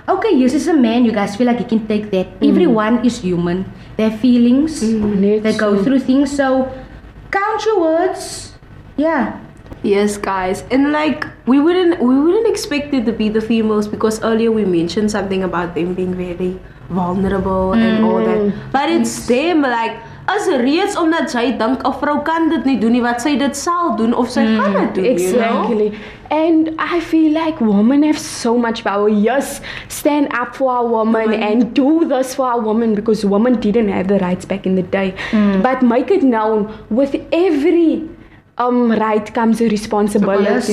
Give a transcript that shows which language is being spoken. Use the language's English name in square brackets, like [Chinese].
[English] Okay, yes, it's a man, you guys feel like you can take that. Everyone is human. Their feelings, they go through things, so count your words. Yeah. Yes, guys. And like, we wouldn't expect it to be the females, because earlier we mentioned something about them being very vulnerable and all that. But it's them, like, [Afrikaans] as reeds omdat jy dink 'n vrou kan dit nie doen nie wat sy dit sal doen of sy gaan dit doen. [English] Exactly. You know? And I feel like women have so much power. Yes, stand up for our woman and do this for our woman, because women didn't have the rights back in the day. But make it known, with every right comes a responsibility.